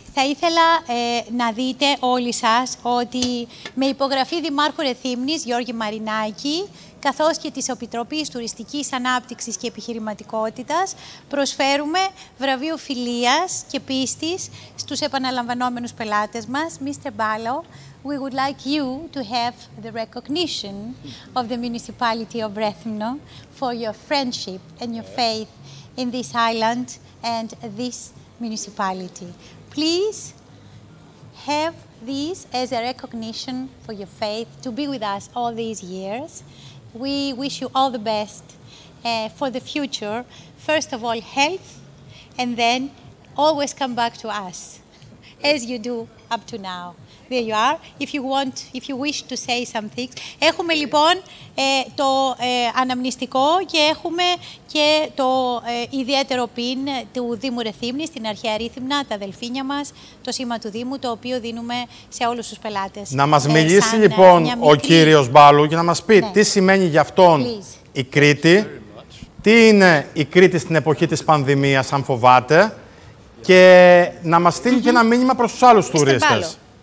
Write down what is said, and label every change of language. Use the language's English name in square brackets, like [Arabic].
[Greek] Θα ήθελα να δείτε όλοι σας ότι με υπογραφή Δημάρχου Ρεθύμνης Γιώργη Μαρινάκη, καθώς και της Επιτροπής Τουριστικής Ανάπτυξης και Επιχειρηματικότητας, προσφέρουμε βραβείο φιλίας και πίστης στους επαναλαμβανόμενους πελάτες μας. [English] Mr. Μπάλο, we would like you to have the recognition of the municipality of Ρέθυμνο for your friendship and your faith in this island and this municipality. Please have this as a recognition for your faith to be with us all these years. We wish you all the best for the future. First of all, health, and then always come back to us, as you do up to now. There you are. If you wish to say something. [Greek] Έχουμε λοιπόν το αναμνηστικό και έχουμε και το ιδιαίτερο πιν του Δήμου Ρεθύμνης, την αρχαία Ρίθυμνα, τα αδελφίνια μας, το σήμα του Δήμου, το οποίο δίνουμε σε όλους τους πελάτες. Να μας μιλήσει λοιπόν ο κύριος Μπάλου και να μας πει τι σημαίνει για αυτόν η Κρήτη, τι είναι η Κρήτη στην εποχή της πανδημίας, αν φοβάται, και να μας στείλει και ένα μήνυμα προς τους άλλους τουρίστες.